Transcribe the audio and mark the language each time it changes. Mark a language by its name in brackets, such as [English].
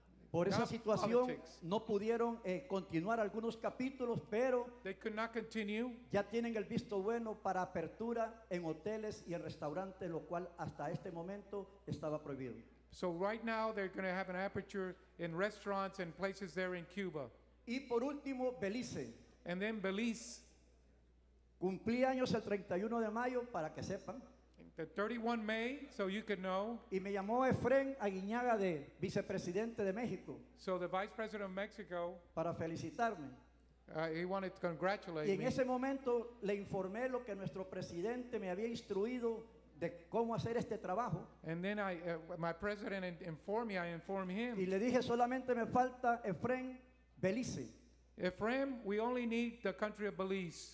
[Spanish] Por esa situación no pudieron continuar algunos capítulos, pero [English] they could not continue. [Spanish] Ya tienen el visto bueno para apertura en hoteles y en restaurantes, lo cual hasta este momento estaba prohibido. [English] So right now they're going to have an aperture in restaurants and places there in Cuba. [Spanish] Y por último, Belice. [English] And then Belize. [Spanish] Cumplí años el 31 de mayo, para que sepan. [English] The 31 May, so you could know. [Spanish] Y me llamó Efrén Aguiñaga, de vicepresidente de México. [English] So the vice president of Mexico. [Spanish] Para felicitarme. [English] He wanted to congratulate me. [Spanish] Y en [English] me. [Spanish] Ese momento le informé lo que nuestro presidente me había instruido de cómo hacer este trabajo. [English] And then my president informed me, I informed him. [Spanish] Y le dije, solamente me falta Efrén, Belice. [English] Efrem, we only need the country of Belize.